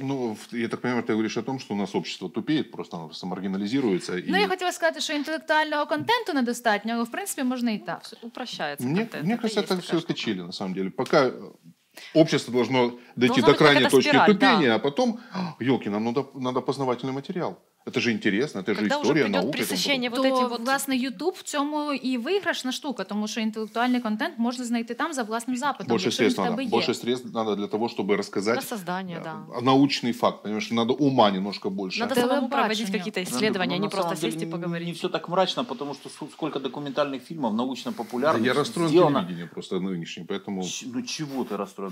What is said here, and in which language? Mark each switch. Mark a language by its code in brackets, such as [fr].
[uk] Ну, я так розумію, ти говориш про те, що у нас общество тупіє, просто маргіналізується. І... Ну, я хотіла сказати, що інтелектуального контенту недостатньо, але, в принципі, можна і так. Упрощається контент. [ru] Мені кажется, так все скачили, на самом деле. Поки... Общество должно дойти до крайней точки тупения, да. А потом, ёлки, нам надо познавательный материал. Это же интересно, это же история, наука. Когда уже придет пресыщение вот этим вот... [uk] То, власне, YouTube в цьому і виграшна штука, тому що інтелектуальний контент можна знайти там за власним запитом. [ru] Больше средств надо. Больше средств надо для того, чтобы рассказать... Для создания, да. Научный факт, понимаешь, что надо ума немножко больше. Надо самому проводить какие-то исследования, а не просто сесть и поговорить. Не все так мрачно, потому что сколько документальных фильмов научно-популярных сделано. Я расстроен телевидением просто нынешним, поэтому... Ну чего ты расстроен?